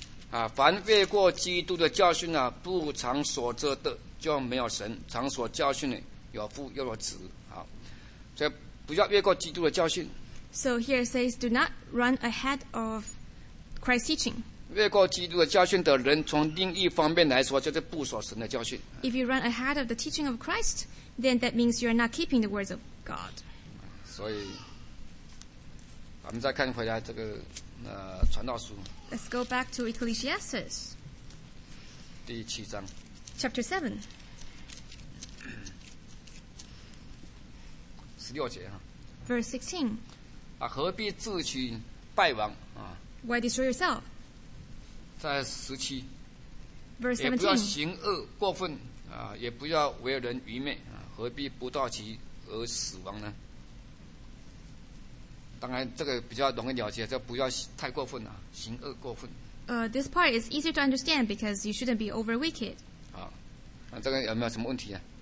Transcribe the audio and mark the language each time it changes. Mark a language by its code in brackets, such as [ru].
[zh] 啊，凡未过基督的教训啊，不常所做的就没有神；常所教训的有父又有子。好，所以不要越过基督的教训。 [en] So here it says, do not run ahead of Christ's teaching. [zh] 越过基督的教训的人，从另一方面来说，就是不守神的教训。 [en] If you run ahead of the teaching of Christ. Then that means you are not keeping the words of God. [zh] 所以，我们再看回来这个传道书。 [en] Let's go back to Ecclesiastes. [zh] 第七章。 [en] Chapter 7. [zh] 十六节哈。 [en] Verse 16. [zh] 啊，何必自取败亡啊 [en] ？Why destroy yourself? [zh] 在十七。 [en] Verse 17. [zh] 也不要行恶过分啊，也不要为人愚昧。何必不到期而死亡呢？当然，这个比较容易了解，就不要太过分了，行恶过分。 [en] This part is easier to understand because you shouldn't be over wicked. [zh] 好，那这个有没有什么问题啊